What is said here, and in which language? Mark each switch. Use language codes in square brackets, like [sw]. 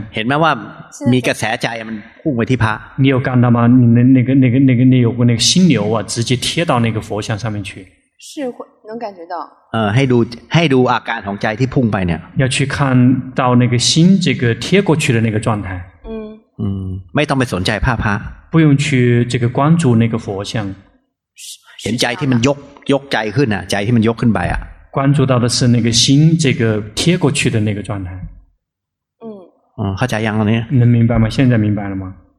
[th] เห็นไหมว่ามีกระแสใจมันพุ่งไปที่พระ [zh] 你有感到吗你那个有过那个心流啊直接贴到那个佛像上面去是能感觉到 [th] ให้ดูอาการของใจที่พุ่งไปเนี่ย [zh] 要去看到那个心这个贴过去的那个状态 [th] ไม่ต้องไปสนใจพระ [zh] 不用去这个关注那个佛像 [th] เห็นใจที่มันยกใจขึ้นอ่ะใจที่มันยกขึ้นไปอ่ะ [zh] 关注到的是那个心这个贴过去的那个状态 [th] เข้าใจยังตรงนี้ [zh] 能明白吗现在明白了吗